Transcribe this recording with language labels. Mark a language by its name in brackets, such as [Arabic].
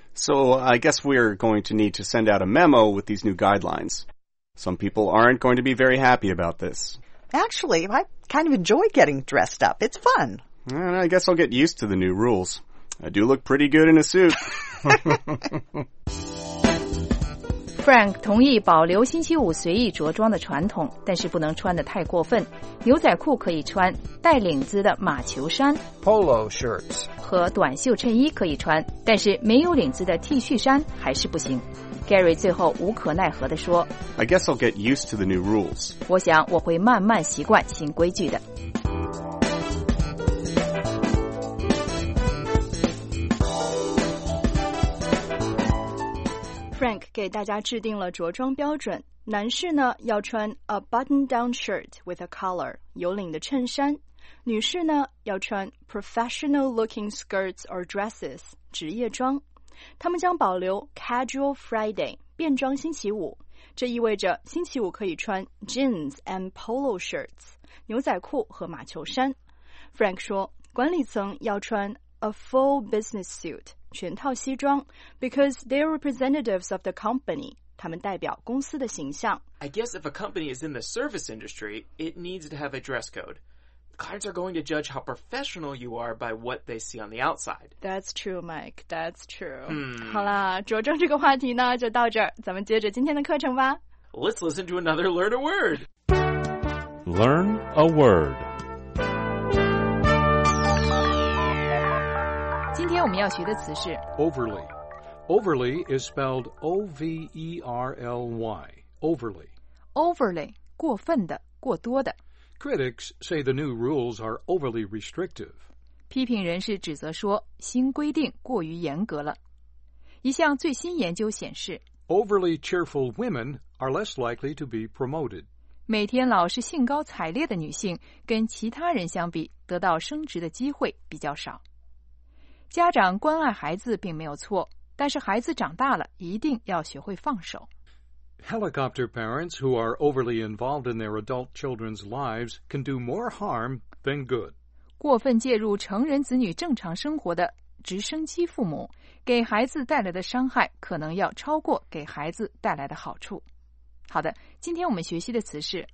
[English] So I guess we're going to need to send out a memo with these new guidelines. Some people aren't going to be very happy about this. Actually, I kind of enjoy getting dressed up. It's fun. And I guess I'll get used to the new rules. I do look pretty good in a suit. [Chinese] Frank 同意保留星期五随意着装的传统，但是不能穿得太过分。牛仔裤可以穿，带领子的马球衫 [English] Polo shirts [Chinese] 和短袖衬衣可以穿，但是没有领子的 T 恤衫还是不行。 Gary 最后无可奈何地说 [English] I guess I'll get used to the new rules. [Chinese] 我想我会慢慢习惯新规矩的。 Frank 给大家制定了着装标准，男士呢要穿 [English] a button-down shirt with a collar, [Chinese] 有领的衬衫，女士呢要穿 [English] professional-looking skirts or dresses, [Chinese] 职业装。他们将保留 casual Friday, 便装星期五，这意味着星期五可以穿 [English] jeans and polo shirts, [Chinese] 牛仔裤和马球衫。 [English] Frank [Chinese] 说，管理层要穿 [English] a full business suit, [Chinese] 全套西装 [English] because they're representatives of the company. [Chinese] 他们代表公司的形象。 [English] I guess if a company is in the service industry, it needs to have a dress code. Clients are going to judge how professional you are by what they see on the outside. That's true, Mike. That's true.、 Hmm. [Chinese] 好啦，着装这个话题呢，就到这儿。咱们接着今天的课程吧。 [English] Let's listen to another Learn a Word. Learn a Word. [Chinese] 今天我们要学的词是 [English] Overly. Overly is spelled O-V-E-R-L-Y. Overly. [Chinese] Overly. 过分的，过多的。 [English] Critics say the new rules are overly restrictive. [Chinese] 批评人士指责说新规定过于严格了。一项最新研究显示 [English] Overly cheerful women are less likely to be promoted. [Chinese] 每天老是兴高采烈的女性跟其他人相比得到升职的机会比较少。家长关爱孩子并没有错，但是孩子长大了一定要学会放手。 [English] Helicopter parents who are overly involved in their adult children's lives can do more harm than good. [Chinese] 过分介入成人子女正常生活的直升机父母，给孩子带来的伤害可能要超过给孩子带来的好处。好的，今天我们学习的词是